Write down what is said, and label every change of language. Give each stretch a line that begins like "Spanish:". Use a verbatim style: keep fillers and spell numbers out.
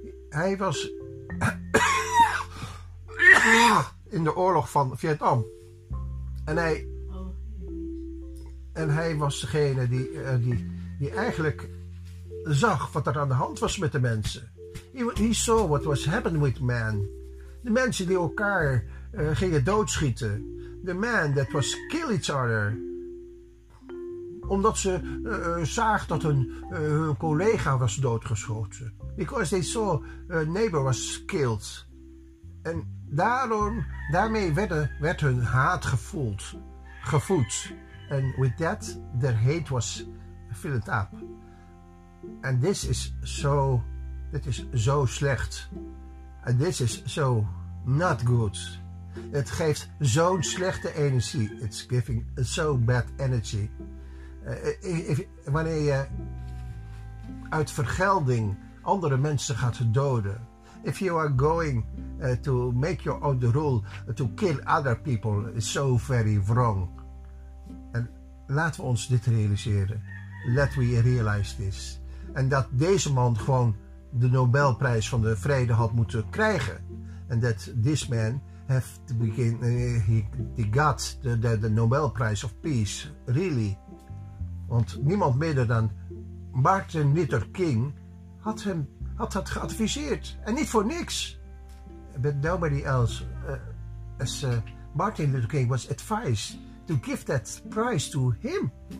Dutch: Hij was... in de oorlog van Vietnam. En hij, en hij was degene die, uh, die, die eigenlijk zag wat er aan de hand was met de mensen.
English: He, he saw what was happening with man.
Dutch: De mensen die elkaar uh, gingen doodschieten.
English: The man that was kill each other.
Dutch: Omdat ze uh, zagen dat hun, uh, hun collega was doodgeschoten.
English: Because they saw a neighbor was killed.
Dutch: En Daarom, daarmee werd, werd hun haat gevoeld, gevoed.
English: And with that, their hate was filled up. And this is so,
Dutch: dit is zo slecht.
English: And this is so not good.
Dutch: Het geeft zo'n slechte energie.
English: It's giving so bad energy.
Dutch: Uh, if, wanneer je uit vergelding andere mensen gaat doden.
English: If you are going uh, to make your own rule uh, to kill other people, is so very wrong.
Dutch: En laten we ons dit realiseren.
English: Let we realize this.
Dutch: En dat deze man gewoon de Nobelprijs van de vrede had moeten krijgen.
English: And that this man have to begin, uh, he, he got the, the, the Nobelprijs of peace, really.
Dutch: Want niemand minder dan Martin Luther King had hem had dat geadviseerd. En niet voor niks.
English: But nobody else uh, as uh, Martin Luther King was advised to give that prize to him.